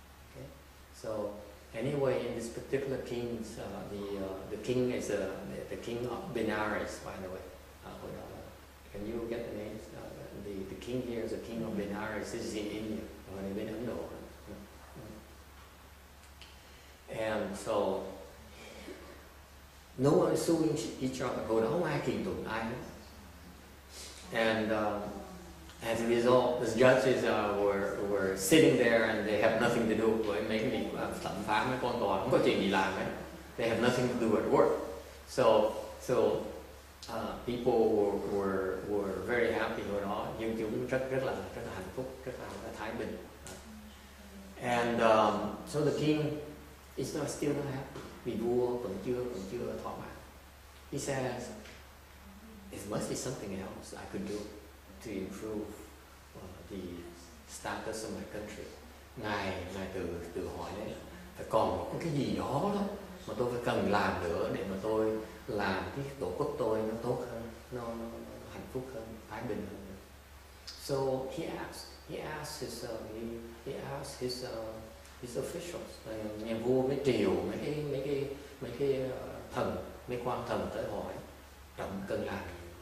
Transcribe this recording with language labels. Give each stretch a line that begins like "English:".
English: Okay, so anyway, in this particular king, the king is the king of Benares, by the way. Can you get the name? The king here is the king of Benares. This is in India. Or in Ấn Độ. And so, no one is suing each other.
Vietnamese: Hồi đó không ai kiện tụng ai.
English: And as a result, the judges were sitting there and they have nothing to do
Vietnamese: với mấy cái thẩm phán, mấy con tòa, không có chuyện gì làm ấy.
English: They have nothing to do at work. So people were very happy
Vietnamese: hồi đó. Dân chúng rất là hạnh phúc, rất là thái bình.
English: And so the king, it's not still not happy.
Vietnamese: Vì vua vẫn chưa thỏa mãn.
English: He says, it must be something else I could do to improve the status of my country.
Vietnamese: Ngài tự hỏi đấy, phải còn có cái gì đó đó mà tôi phải cần làm nữa để mà tôi làm cái tổ quốc tôi nó tốt hơn, nó hạnh phúc hơn, thái bình hơn.
English: So he asked his officials,
Vietnamese: nhà vua mới triệu mấy cái thần, mấy quan thần tới hỏi, trọng cần làm gì?